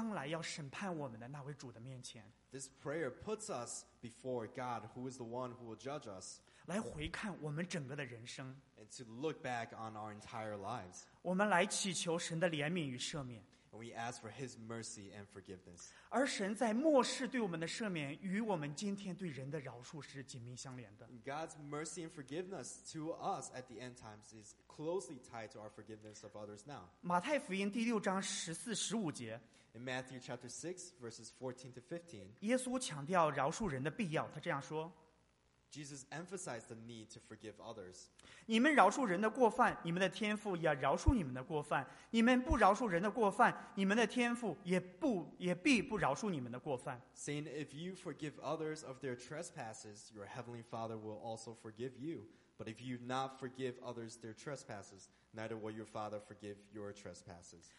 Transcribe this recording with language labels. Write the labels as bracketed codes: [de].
[zh] 这个祷告是把我们自己放在将来要审判我们的那位主的面前。 [en] This prayer puts us before God, who is the one who will judge us. [zh] 来回看我们整个的人生。 [en] And to look back on our entire lives. [zh] 我们来祈求神的怜悯与赦免。 [en] And we ask for His mercy and forgiveness. [zh] 而神在末世对我们的赦免, 与我们今天对人的饶恕是紧密相连的。 [en] God's mercy and forgiveness to us at the end times is closely tied to our forgiveness of others now. [zh] 马太福音第六章14-15节, [en] In Matthew chapter 6, verses 14 to 15, [zh] 耶稣强调饶恕人的必要, 他这样说, [en] Jesus emphasized the need to forgive others. [zh] 你们饶恕人的过犯, 你们的天父也饶恕你们的过犯, 你们不饶恕人的过犯, 你们的天父也必不饶恕你们的过犯。 [en] Saying, if you forgive others of their trespasses, your heavenly Father will also forgive you. But if you not forgive others their trespasses, neither will your Father forgive your trespasses.